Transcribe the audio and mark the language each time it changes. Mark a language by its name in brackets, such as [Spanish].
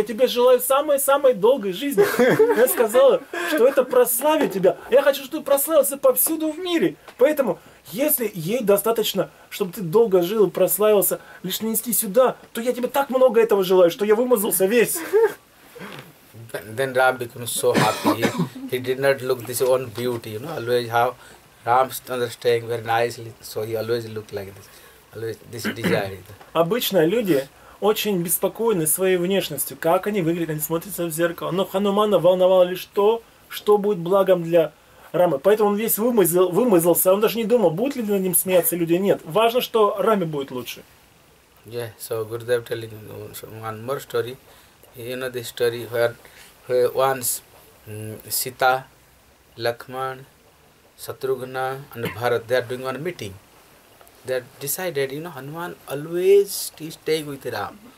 [Russian] Я тебе желаю самой-самой долгой жизни. Я сказала, что это прославит тебя. Я хочу, чтобы ты прославился повсюду в мире. Поэтому, если ей достаточно, чтобы ты долго жил и прославился, лишь нанести сюда, то я тебе так много этого желаю, что я вымазался весь». [English] Then Ram became so happy. He did not look this own beauty, you know, always how Ram is understanding very nicely, so he always looked like this, always this desire. [Russian] Обычно люди очень беспокойны своей внешностью, как они выглядят, они смотрятся в зеркало. Но Ханумана волновало лишь то, что будет благом для Рамы. Поэтому он весь вымазался, он даже не думал, будут ли над ним смеяться люди, нет. Важно, что Раме будет лучше. [English] Yeah, so Gurudev telling one more story. You know the story where once Sita, Lakman, Satrughna and Bharat, they are doing one meeting. They have decided, you know, Hanuman always stay with Ram.